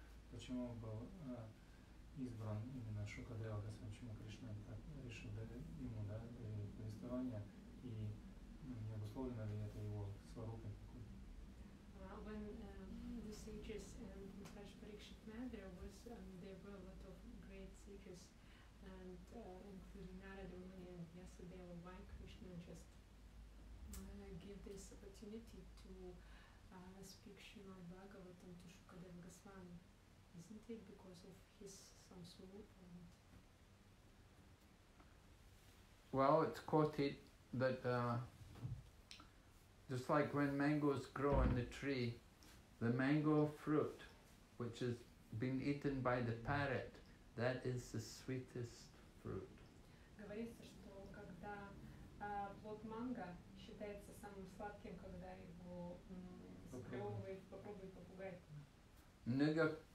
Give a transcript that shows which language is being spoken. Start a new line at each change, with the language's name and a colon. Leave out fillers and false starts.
Russian: Почему он был избран именно Шукадева Госвами, почему Кришна так решил дать ему, да, повествование, и не обусловлено ли это его сварупой какой-то?
English: The sages and Maharaj Parikshit met, there were a lot of great sages, and including Narada Muni and Vyasadeva. Why Krishna just give this opportunity to speak Srimad Bhagavatam to Shukadeva Goswami? Isn't it because of his samsarup? Well, it's quoted that just like when mangoes grow on the tree, the mango fruit, which has been eaten by the parrot, that is the sweetest fruit.
Russian: Говорится, что когда плод манго считается самым сладким, когда его попробует попугай.